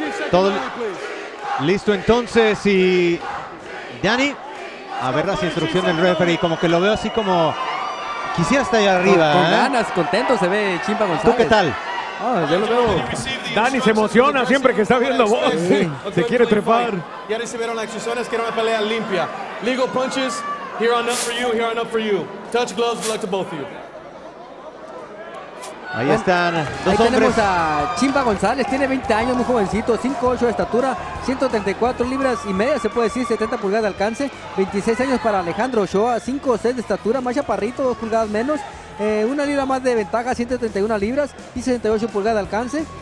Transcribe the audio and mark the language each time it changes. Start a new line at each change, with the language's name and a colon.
Spanish: Todo listo entonces y Dani, a ver las instrucciones del referee, como que lo veo así como quisiera estar ahí arriba. Con ganas, contento se ve Chimpa González. ¿Tú qué tal? Oh, yo lo veo. Dani se emociona siempre que está viendo vos, sí. Se quiere trepar. Ya recibieron las instrucciones, quiero una pelea limpia.
English: Legal punches, here on up for you, here on up for you. Touch gloves, good luck to both of you.
Spanish: Ahí están dos ahí hombres. Tenemos a Chimpa González, tiene 20 años, muy jovencito, 5'8 de estatura, 134 libras y media, se puede decir, 70 pulgadas de alcance, 26 años para Alejandro Ochoa, 5'6 de estatura, más chaparrito, 2 pulgadas menos, una libra más de ventaja, 131 libras y 68 pulgadas de alcance.